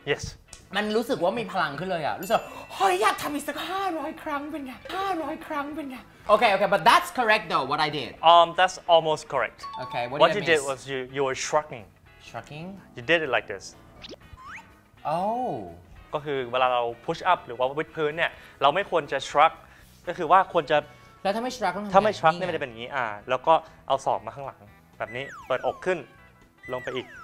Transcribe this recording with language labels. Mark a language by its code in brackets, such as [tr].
[en] Yes. [th] มันรู้สึกว่ามีพลังขึ้นเลยอ่ะรู้สึกเฮ้ยอยากทำอีกสัก500ครั้งเป็นไง500ครั้งเป็นไง Okay. [en] But that's correct though, what I did. That's almost correct. Okay, what you did was you were shrugging. Shrugging? You did it like this. Oh. [th] ก็คือเวลาเรา push up หรือว่าวิดพื้นเนี่ยเราไม่ควรจะ shrug ก็คือว่าควรจะ แล้วถ้าไม่ shrug ถ้าไม่ shrug เนี่ยมันจะเป็นอย่างนี้แล้วก็เอาศอกมาข้างหลังแบบนี้เปิดอกขึ้นลงไปอีก